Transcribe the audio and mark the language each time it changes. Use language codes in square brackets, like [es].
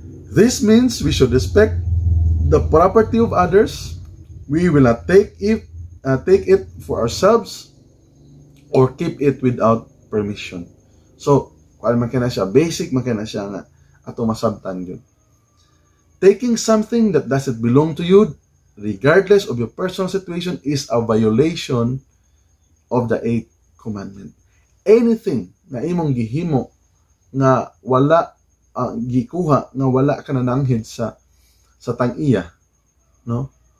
[en] This means we should respect the property of others. We will not take it for ourselves or keep it without permission. [ceb] So, kung makina siya, basic makina siya nga, ato masabtan yun. [en] Taking something that doesn't belong to you, regardless of your personal situation, is a violation of the eighth commandment. [ceb] Anything na imong gihimo na wala gikuha na wala ka nananghid sa tang-iya, no?